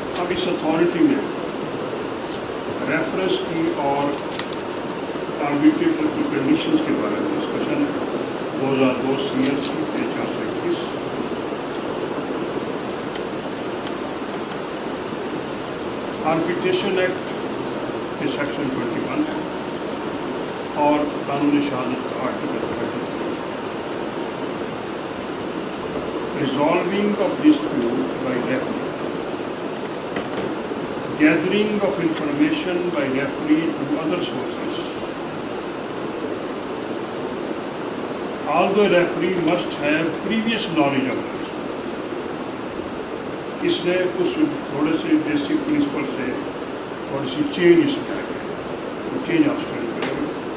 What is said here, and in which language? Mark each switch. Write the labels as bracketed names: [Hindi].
[Urdu] اس authority میں reference کی اور آربیٹریٹر کی کنڈیشنز کے بارے میں ڈسکشن ہے، 2002 CLC 421. آربیٹریشن ایکٹ کے سیکشن 21 ہے اور قانون شہادت کا article 33. [English] Resolving of dispute by reference, gathering of information by referee through other sources. Although referee must have previous knowledge of this. [Urdu] اس نے اس تھوڑے سے بیسک پرنسپل سے تھوڑی سی چینج اس میں آ گئی، چینج آف اسٹڈی کر رہی ہے.